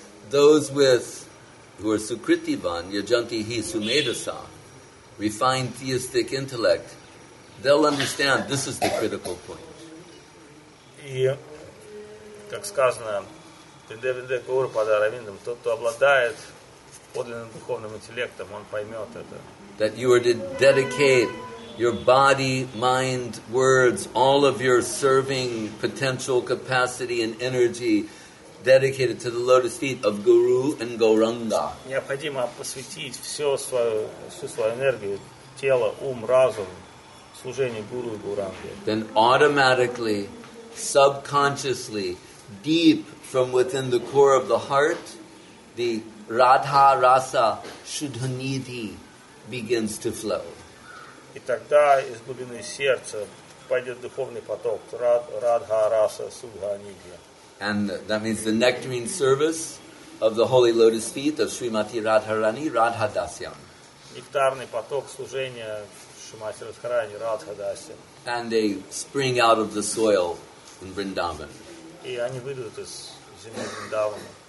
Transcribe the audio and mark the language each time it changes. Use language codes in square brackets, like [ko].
[en] Those with, who are Sukritivan, Yajanti Hi Sumedasa, refined theistic intellect, they'll understand this is the critical point. [ru] И, как сказано, Виндевинде Гаура Падара Виндам, тот, кто обладает подлинным духовным интеллектом, он поймет это. [en] That you are to dedicate your body, mind, words, all of your serving potential capacity and energy dedicated to the lotus feet of Guru and Gauranga. [ru] Необходимо посвятить всю свою энергию, тело, ум, разум служению Гуру и Гауранге. [en] Then automatically, subconsciously, deep from within the core of the heart, the Radha Rasa Shudhanidhi begins to flow. [ru] И тогда из глубины сердца пойдет духовный поток Радха Раса Судханидхи. [en] And that means the nectarine service of the holy lotus feet of Srimati Radharani, Radha Dasyam. [ru] Нектарный поток служения Шримати Радхарани, Радха Дасьям. [en] And they spring out of the soil in Vrindavan. [ru] И они выйдут из земли Вриндавана.